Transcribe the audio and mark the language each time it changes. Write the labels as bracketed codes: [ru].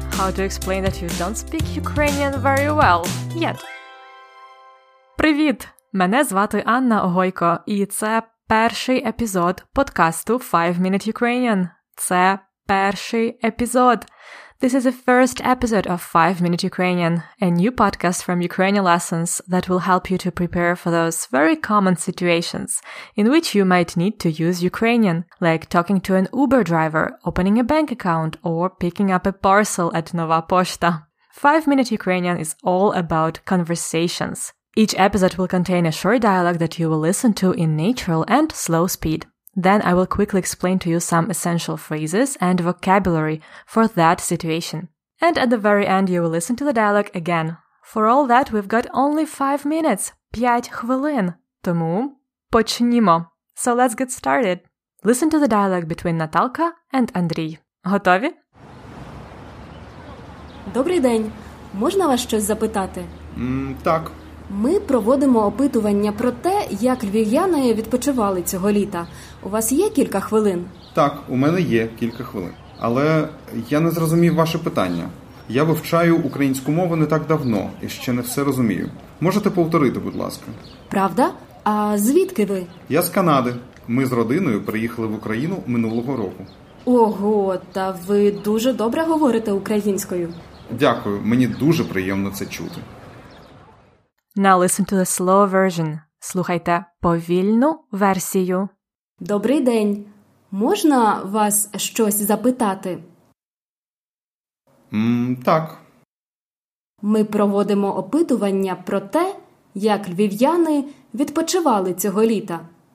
[en] How to explain that you don't speak Ukrainian very well yet. [uk] Привіт! Мене звати Анна Огойко, і це перший епізод подкасту 5 Minute Ukrainian. Це перший епізод. [en] This is the first episode of 5 Minute Ukrainian, a new podcast from Ukrainian Lessons that will help you to prepare for those very common situations in which you might need to use Ukrainian, like talking to an Uber driver, opening a bank account, or picking up a parcel at Nova Pošta. 5 Minute Ukrainian is all about conversations. Each episode will contain a short dialogue that you will listen to in natural and slow speed. Then I will quickly explain to you some essential phrases and vocabulary for that situation. And at the very end, you will listen to the dialogue again. For all that, we've got only 5 minutes. [uk] 5 хвилин. Тому почнімо. [en] So let's get started. Listen to the dialogue between Наталка and Андрій. [uk] Готові? Добрий день. Можна вас щось запитати? Так. Ми проводимо опитування про те, як львів'яни відпочивали цього літа. У вас є кілька хвилин? Так, у мене є кілька хвилин. Але я не зрозумів ваше питання. Я вивчаю українську мову не так давно і ще не все розумію. Можете повторити, будь ласка? Правда? А звідки ви? Я з Канади. Ми з родиною приїхали в Україну минулого року. Ого, та ви дуже добре говорите українською. Дякую, мені дуже приємно це чути. [en] Now listen to the slow version. [uk] Слухайте повільну версію. Добрий день. Можна вас щось запитати? Так. Ми проводимо опитування про те, як львів'яни відпочивали цього літа.